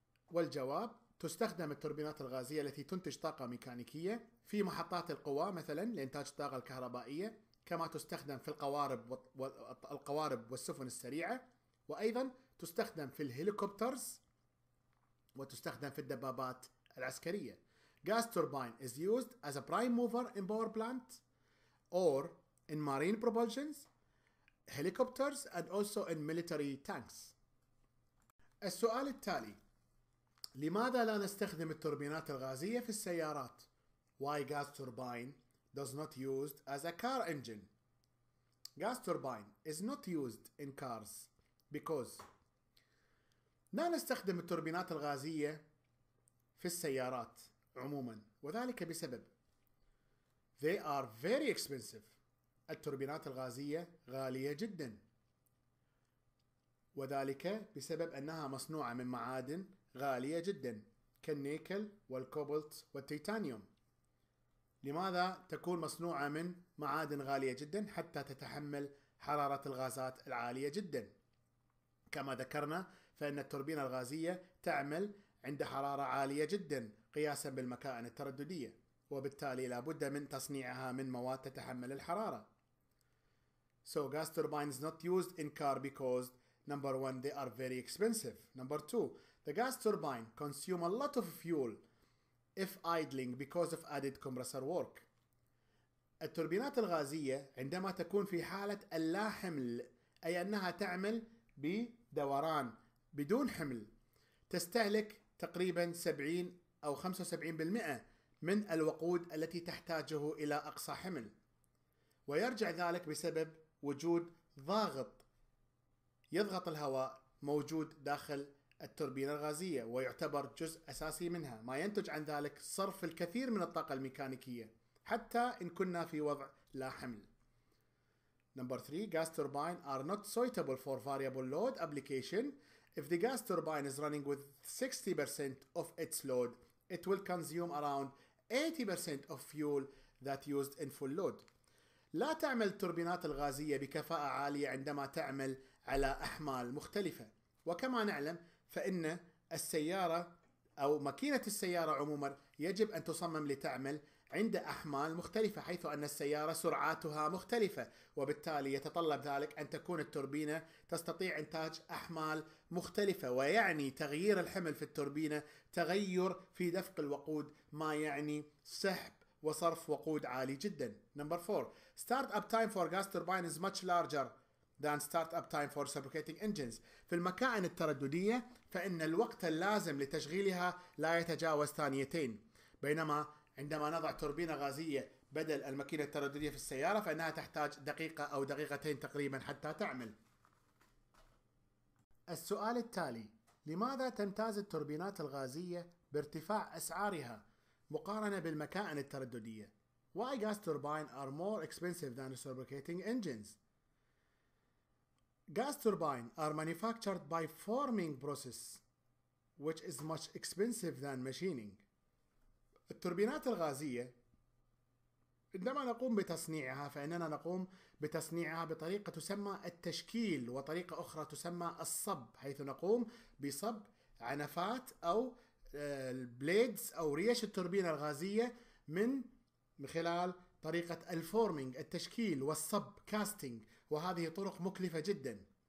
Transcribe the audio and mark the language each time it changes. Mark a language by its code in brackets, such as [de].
[ar] والجواب: تستخدم التوربينات الغازية التي تنتج طاقة ميكانيكية في محطات القوى مثلا لإنتاج الطاقة الكهربائية، كما تستخدم في القوارب والسفن السريعة، وأيضا تستخدم في الهليكوبترز وتستخدم في الدبابات العسكرية. [en] Gas turbine is used as a prime mover in power plant or in marine propulsions, helicopters and also in military tanks. [ar] السؤال التالي: لماذا لا نستخدم التوربينات الغازية في السيارات؟ [en] Why gas turbine does not used as a car engine? Gas turbine is not used in cars because [ar] لا نستخدم التوربينات الغازية في السيارات عموما، وذلك بسبب [en] they are very expensive. [ar] التوربينات الغازية غالية جدا، وذلك بسبب أنها مصنوعة من معادن غالية جدا كالنيكل والكوبالت والتيتانيوم. لماذا تكون مصنوعة من معادن غالية جدا؟ حتى تتحمل حرارة الغازات العالية جدا. كما ذكرنا فإن التوربينة الغازية تعمل عند حرارة عالية جدا قياسا بالمكائن الترددية، وبالتالي لابد من تصنيعها من مواد تتحمل الحرارة. [en] So gas turbine is not used in car because number one, they are very expensive. Number two, the gas turbine consume a lot of fuel if idling because of added compressor work. [ar] التوربينات الغازية عندما تكون في حالة اللا حمل، أي أنها تعمل بدوران بدون حمل، تستهلك تقريبا 70 أو 75% من الوقود التي تحتاجه إلى أقصى حمل، ويرجع ذلك بسبب وجود ضاغط يضغط الهواء موجود داخل التوربينة الغازية، ويعتبر جزء أساسي منها، ما ينتج عن ذلك صرف الكثير من الطاقة الميكانيكية حتى إن كنا في وضع لا حمل. [en] Number three, gas turbine are not suitable for variable load application. If the gas turbine is running with 60% of its load, it will consume around 80% of fuel that used in full load. [ar] لا تعمل التوربينات الغازية بكفاءة عالية عندما تعمل على أحمال مختلفة. وكما نعلم فإن السيارة أو ماكينة السيارة عموما يجب أن تصمم لتعمل عند أحمال مختلفة، حيث أن السيارة سرعاتها مختلفة، وبالتالي يتطلب ذلك أن تكون التوربينة تستطيع إنتاج أحمال مختلفة، ويعني تغيير الحمل في التوربينة تغير في دفق الوقود، ما يعني سحب وصرف وقود عالي جدا. [en] Number four, startup time for gas turbine is much larger than startup time for reciprocating engines. [ar] في المكائن الترددية فإن الوقت اللازم لتشغيلها لا يتجاوز ثانيتين، بينما عندما نضع توربينة غازية بدل الماكينة الترددية في السيارة فإنها تحتاج دقيقة أو دقيقتين تقريبا حتى تعمل. السؤال التالي: لماذا تمتاز التوربينات الغازية بارتفاع أسعارها مقارنة بالمكائن الترددية؟ [en] Why gas turbine are more expensive than reciprocating engines? Gas turbine are manufactured by forming process which is much expensive than machining. [ar] التوربينات الغازية عندما نقوم بتصنيعها فإننا نقوم بتصنيعها بطريقة تسمى التشكيل، وطريقة أخرى تسمى الصب، حيث نقوم بصب عنفات أو البليدز أو ريش التوربينة الغازية من خلال طريقة الفورمينج التشكيل والصب كاستينج، وهذه طرق مكلفة جدا،